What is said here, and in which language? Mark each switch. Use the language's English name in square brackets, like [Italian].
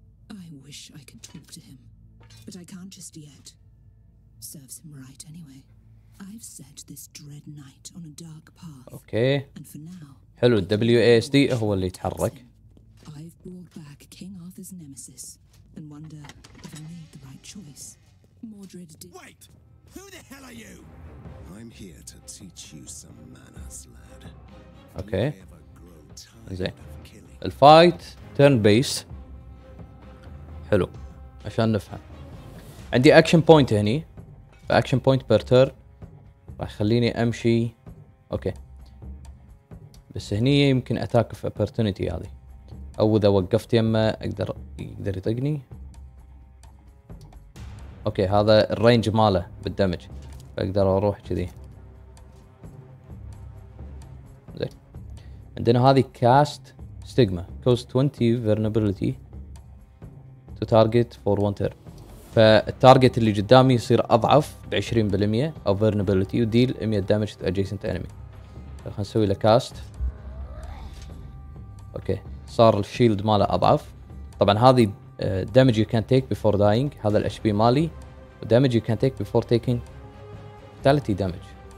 [English] I wish I could talk to him, but I can't just yet. Serves him right anyway. I've set this dread knight on a dark path. Okay. And for now. [Arabic] حلو. WASD هو اللي يتحرك. [English] I've brought back King Arthur's nemesis, and wonder if I made the right choice. Mordred did. Wait. Who the hell are you? I'm here to teach you some manners, lad. [Arabic] Okay. زين. الفايت. تيرن بيس. حلو عشان نفهم. عندي اكشن بوينت هني، اكشن بوينت بير تيرن راح يخليني امشي. اوكي بس هني يمكن اتاك في اوبورتونيتي هذه، او اذا وقفت يمه اقدر يطقني. اوكي هذا الرينج ماله بالدمج، فاقدر اروح كذي. زين عندنا هذه كاست [English] stigma cost 20 vulnerability to target for one turn. [Arabic] فالتارجت اللي قدامي يصير اضعف ب 20% [English] of vulnerability [Arabic] وديل 100 [English] damage to adjacent enemy. [Arabic] خلينا نسوي له كاست. اوكي صار الشيلد ماله اضعف. طبعا هذه [English] damage you can take before dying، [Arabic] هذا الاتش بي مالي، [English] damage you can take before taking fatality damage.